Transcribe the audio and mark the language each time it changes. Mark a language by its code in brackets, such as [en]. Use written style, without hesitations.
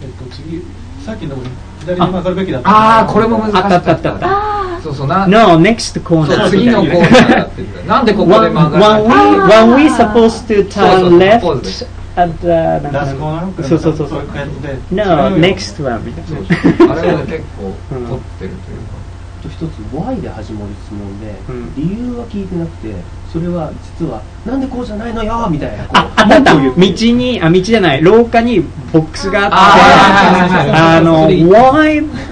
[ja] 次、さっきの左に曲がるべきだった。あー、これも難しい。あったあったあった。そうそう、 [en] No, next corner. [ja] 次のコーナーだって言ったら、なんでここで曲がるの？ [en] When we supposed to turn left at the... Last corner? [ja] そうそうそう。 [en] No, next one [ja] みたいな。あれは結構取ってるというか。一つ、Why で始まる質問で、理由は聞いてなくて、それは実は、なんでこうじゃないのよみたいな。あったあった。道に、あ、道じゃない。廊下にボックスがあって、あの、Why?